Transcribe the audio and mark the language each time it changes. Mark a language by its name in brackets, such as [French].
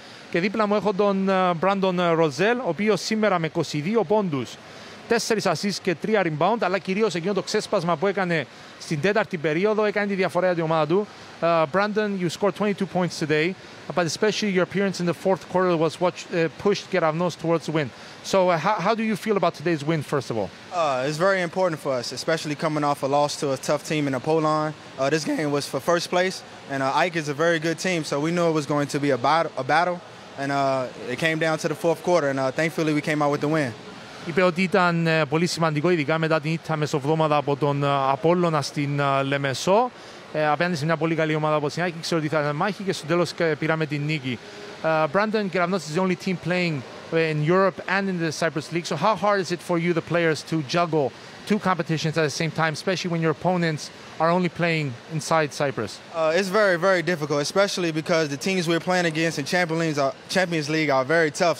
[Greek] Και δίπλα μου έχω τον Μπράντον Ροζέλ, ο οποίος σήμερα με 22 πόντους, 4 assists και 3 rebound, αλλά κυρίως εκείνο το ξέσπασμα που έκανε στην τέταρτη περίοδο, έκανε τη διαφορά για την ομάδα του. [English] Μπράντον, you scored 22 points today, but especially your appearance in the fourth quarter was pushed Keravnos towards the win. So how do you feel about today's win, first of all? It's very important for us, especially coming off a loss to a tough team in Apollon. This game was for first place, and Ike is a very good team, so we knew it was going to be a battle, and it came down to the fourth quarter, and thankfully we came out with the win. [Greek] Είπε ότι ήταν πολύ σημαντικό, ειδικά μετά την ήττα μεσοβδόμαδα από τον Απόλλωνα στην Λεμεσό. Απέναντι σε μια πολύ καλή ομάδα από την Άκη, ξέρω ότι θα ήταν μάχη και στο τέλος πήραμε την νίκη. [English] Brandon Keravnos is the only team playing in Europe and in the Cyprus League. So how hard is it for you, the players, to juggle two competitions at the same time, especially when your opponents are only playing inside Cyprus? It's very, very difficult, especially because the teams we're playing against in Champions League are very tough.